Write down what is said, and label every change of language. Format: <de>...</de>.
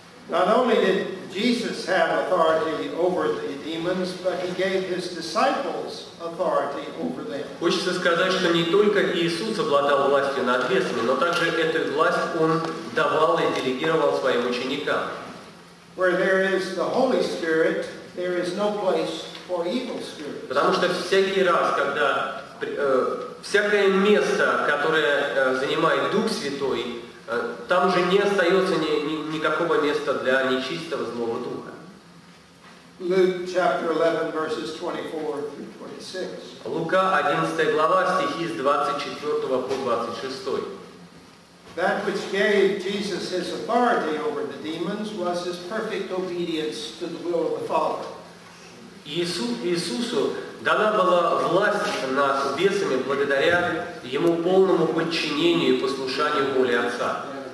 <en>Not only did Jesus have authority over the demons, but he gave his disciples authority over them.</en> <ru>Хочется сказать, что не только Иисус обладал властью над бесами, но также эту власть он давал и делегировал своим ученикам.</ru> <en>Where there is the Holy Spirit, there is no place for evil spirits.</en> <ru>Потому что всякий раз, когда всякое место, которое занимает Дух Святой, там же не остается никакого места для нечистого злого духа.</ru> <en>Luke chapter 11 verses 24 through</en> <ru>26. Лука 11 глава, стихи с 24 по 26.</ru> <en>That which gave Jesus his authority over the demons was his perfect obedience to the will of the Father.</en> <ru>Иисусу дана была власть над бесами благодаря ему полному подчинению и послушанию воле Отца.</ru>